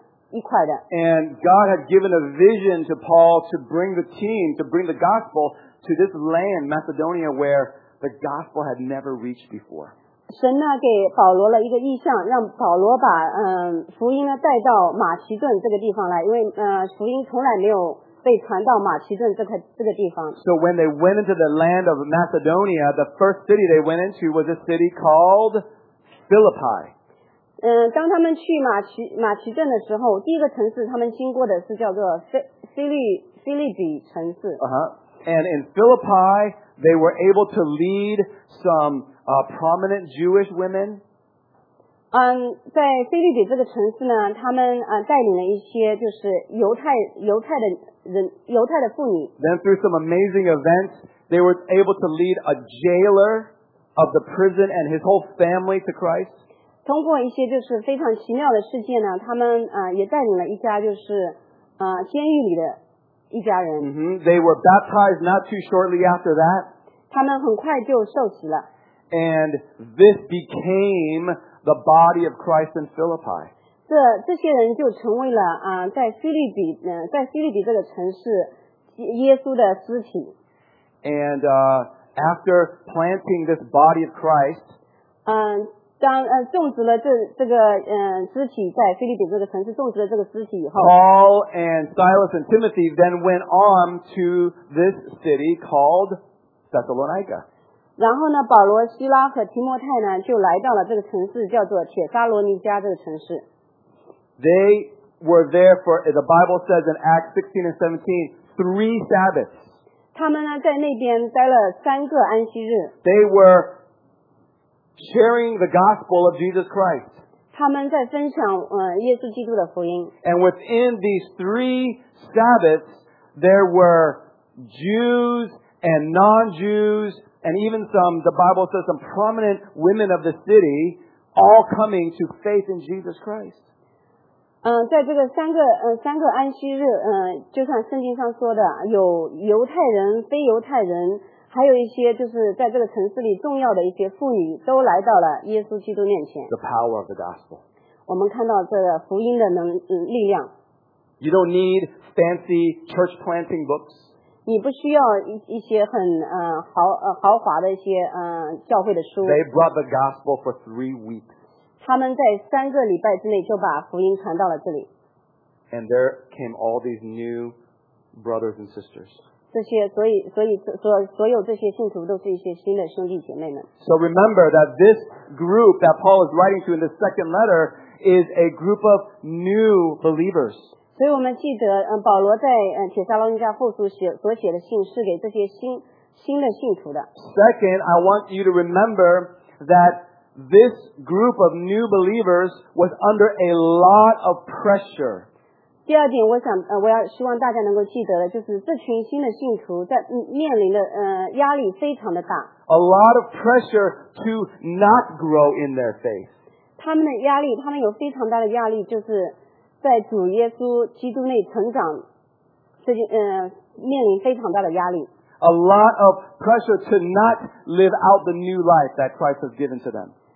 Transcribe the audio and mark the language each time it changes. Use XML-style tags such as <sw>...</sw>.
<en>And God had given a vision to Paul to bring the team, to bring the gospel to this land, Macedonia, where the gospel had never reached before.</en> <zh>神呢给保罗了一个意象，让保罗把福音呢带到马其顿这个地方来，因为福音从来没有被传到马其顿这个地方。</zh> <en>So when they went into the land of Macedonia, the first city they went into was a city called Philippi.</en> <zh>当他们去马其顿的时候，第一个城市他们经过的是叫做菲利比城市。</zh> <en>And in Philippi, they were able to lead some prominent Jewish women.</en> <zh>在菲利比这个城市呢，他们带领了一些就是犹太的。犹太的妇女。</zh> <en>Then through some amazing events, they were able to lead a jailer of the prison and his whole family to Christ.</en> <zh>通过一些就是非常奇妙的事件呢，他们也带领了一家就是监狱里的一家人。</zh> <en>They were baptized not too shortly after that.</en> <zh>他们很快就受洗了。</zh> <en>And this became the body of Christ in Philippi.</en> <zh>这些人就成为了在菲利比这个城市耶稣的肢体。</zh> <en>And after planting this body of Christ,</en> <zh>当种植了这个肢体，在腓立比这个城市种植了这个肢体以后，</zh> <en>Paul and Silas and Timothy then went on to this city called Thessalonica.</en> <zh>然后呢，保罗、希拉和提摩太呢，就来到了这个城市，叫做铁沙罗尼加这个城市。</zh> <en>They were there for, the Bible says in Acts 16 and 17, three Sabbaths.</en> <zh>他们呢，在那边待了三个安息日。</zh> <en>They were sharing the gospel of Jesus Christ.</en> <zh>他们在分享耶稣基督的福音。</zh> <en>And within these three Sabbaths, there were Jews and non-Jews, and even some, the Bible says, some prominent women of the city, all coming to faith in Jesus Christ.</en> <zh>在这个三个安息日，就像圣经上说的，有犹太人、非犹太人。还有一些就是在这个城市里重要的一些妇女都来到了耶稣基督面前。</zh> <en>The power of the gospel.</en> <zh>我们看到这个福音的力量。</zh> <en>You don't need fancy church planting books.</en> <zh>你不需要一些很豪华的一些教会的书。</zh> <en>They brought the gospel for 3 weeks.</en> <zh>他们在三个礼拜之内就把福音传到了这里。</zh> <en>And there came all these new brothers and sisters.</en> <zh>这些所有这些信徒都是一些新的兄弟姐妹们。</zh> <en>So remember that this group that Paul is writing to in the second letter is a group of new believers.</en> <zh>所以我们记得，保罗在铁撒罗尼迦后书所写的信是给这些新的信徒的。</zh> <en>Second, I want you to remember that this group of new believers was under a lot of pressure.</en> <zh>第二点，我希望大家能够记得的，就是这群新的信徒在面临的压力非常的大。</zh> <en>A lot of pressure to not grow in their faith.</en> <zh>他们有非常大的压力，就是在主耶稣基督内成长，面临非常大的压力。</zh> <en>A lot of pressure to not live out the new life that Christ has given to them.</en>